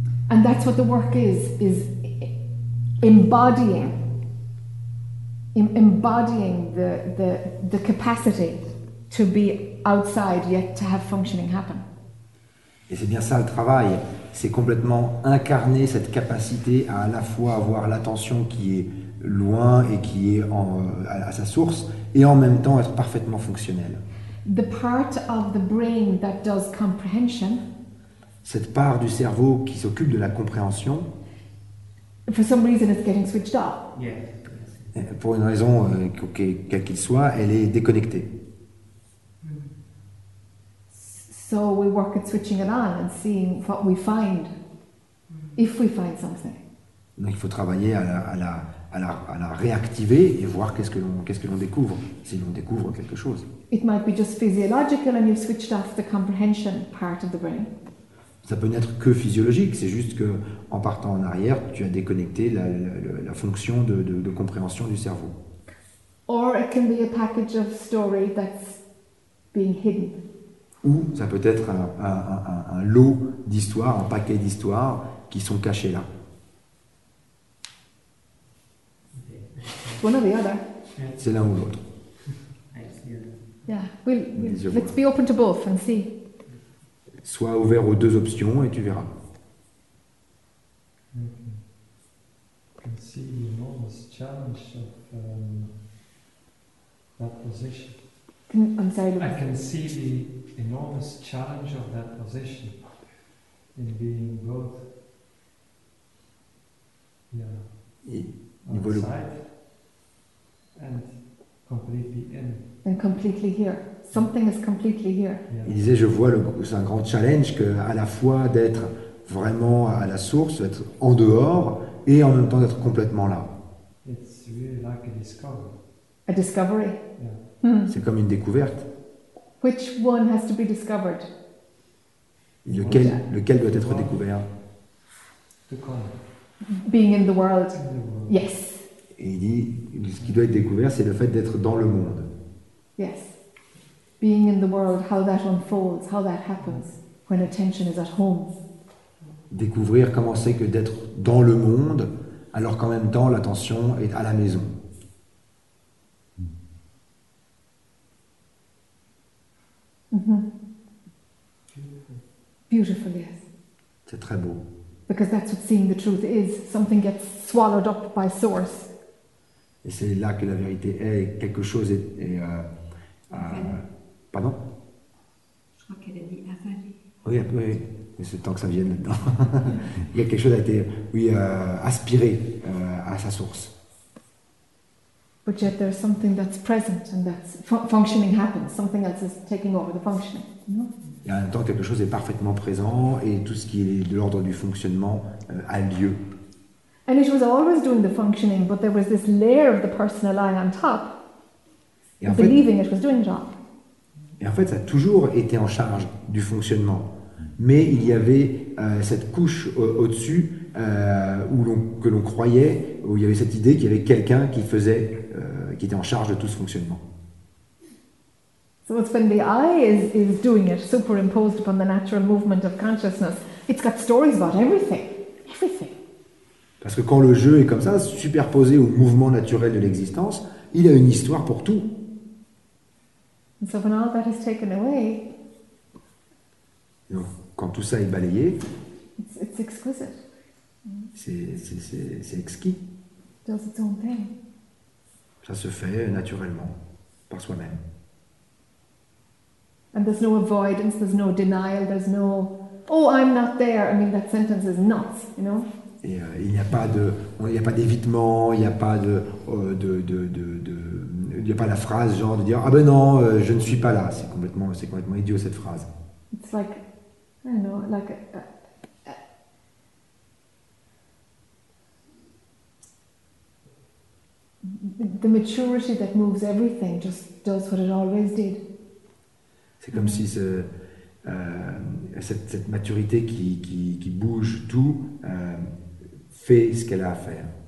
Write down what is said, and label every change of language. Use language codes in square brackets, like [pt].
[en] And that's what the work is. Embodying the capacity to be outside yet to have functioning happen. [fr] Et c'est bien ça le travail, c'est complètement incarner cette capacité à la fois avoir l'attention qui est loin et qui est à sa source et en même temps être parfaitement fonctionnel. [en] The part of the brain that does comprehension. [fr] Cette part du cerveau qui s'occupe de la compréhension. [en] For some reason, it's getting switched off. Yeah. [fr] Pour une raison quelle qu'il soit, elle est déconnectée. [en] So we work at switching it on and seeing what we find, if we find something. [fr] Donc il faut travailler à la réactiver et voir qu'est-ce que l'on découvre, si l'on découvre quelque chose. [en] It might be just physiological, and you've switched off the comprehension part of the brain. [fr] Ça peut n'être que physiologique, c'est juste que en partant en arrière, tu as déconnecté la fonction de compréhension du cerveau. [en] Or it can be a package of story that's being hidden. [fr] Ou ça peut être un lot d'histoires, un paquet d'histoires qui sont cachées là. [en] One or the other. [fr] C'est l'un ou l'autre. [en] Yeah, we'll let's be open to both and see. [fr] Sois ouvert aux deux options et tu verras. Mm-hmm. [en] You can see the enormous challenge of that position. I'm sorry. I can see the enormous challenge of that position in being both. Yeah. Outside and completely in. And completely here. Something is completely here. [fr] Il disait, je vois c'est un grand challenge que à la fois d'être vraiment à la source, d'être en dehors, et en même temps d'être complètement là. [en] It's really like a discovery. A discovery. Yeah. [fr] C'est comme une découverte. [en] Which one has to be discovered? [fr] Lequel doit être découvert? [en] The coin. Being in the world. In the world. Yes. [fr] Et il dit, ce qui doit être découvert, c'est le fait d'être dans le monde. [en] Yes. Being in the world, how that unfolds, how that happens when attention is at home. [fr] Découvrir comment c'est que d'être dans le monde, alors qu'en même temps l'attention est à la maison. [en] Mm-hmm. Beautiful. Beautiful, yes. [fr] C'est très beau. [en] Because that's what seeing the truth is. Something gets swallowed up by source. [fr] Et c'est là que la vérité est. Quelque chose est Pardon ? Je crois qu'elle a dit avalé. Oui, oui, mais c'est le temps que ça vienne là-dedans. Il y a quelque chose a été, aspiré à sa source. [en] But yet there's something that's present and that's functioning happens. Something else is taking over the functioning. [fr] Et en même temps, quelque chose est parfaitement présent et tout ce qui est de l'ordre du fonctionnement a lieu. [en] And it was always doing the functioning, but there was this layer of the personal lying on top, believing it was doing the job. [fr] Et en fait, ça a toujours été en charge du fonctionnement. Mais il y avait cette couche au-dessus où l'on croyait, où il y avait cette idée qu'il y avait quelqu'un qui faisait, qui était en charge de tout ce fonctionnement. [en] So it's when the eye is doing it, superimposed upon the natural movement of consciousness, it's got stories about everything, everything. [fr] Parce que quand le jeu est comme ça, superposé au mouvement naturel de l'existence, il a une histoire pour tout. [en] And so when all that is taken away, [fr] donc, quand tout ça est balayé, [en] it's exquisite. [fr] C'est exquis. [en] It does its own thing. [fr] Ça se fait naturellement, par soi-même. [en] And there's no avoidance, there's no denial, there's no, oh, I'm not there. I mean, that sentence is nuts, you know? [fr] Et il n'y a pas de, il n'y a pas d'évitement, il n'y a pas de, il n'y a pas la phrase genre de dire, ah ben non, je ne suis pas là. C'est complètement idiot cette phrase. [en] It's like, I don't know, like, the maturity that moves everything just does what it always did. [fr] C'est comme si cette maturité qui bouge tout fait ce qu'elle a à faire.